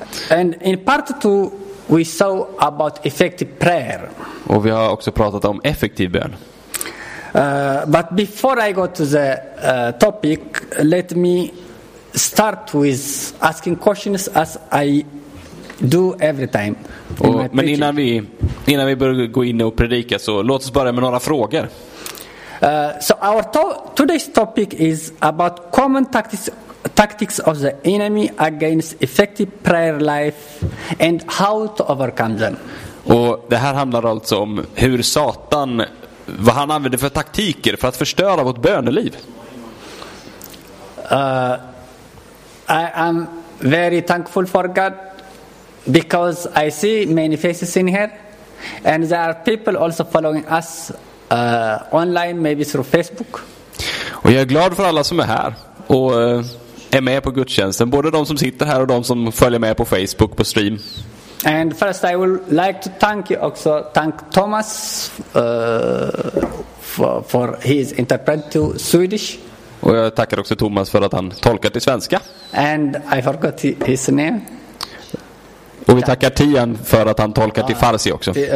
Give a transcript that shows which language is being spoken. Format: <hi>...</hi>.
<en>And in part two we saw about effective prayer.</en> <sv>Och vi har också pratat om effektiv bön.</sv> <en>But before I go to the topic, let me start with asking questions as I do every time.</en> <sv>Men innan vi börjar gå in och predika, så låt oss börja med några frågor.</sv> <en>So our today's topic is about common tactics of the enemy against effective prayer life and how to overcome them.</en> <sv>Och det här handlar alltså om hur Satan, vad han använder för taktiker för att förstöra vårt böneliv.</sv> <en>I am very thankful for God. Because I see many faces in here, and there are people also following us online, maybe through Facebook.</en> <sv>Och jag är glad för alla som är här och är med på gudstjänsten, både de som sitter här och de som följer med på Facebook på stream.</sv> <en>And first, I would like to thank you also, thank Thomas for his interpret to Swedish.</en> <sv>Och jag tackar också Thomas för att han tolkar till svenska.</sv> <en>And I forgot his name.</en> <sv>Och vi tackar Tian för att han tolkar till farsi också.</sv>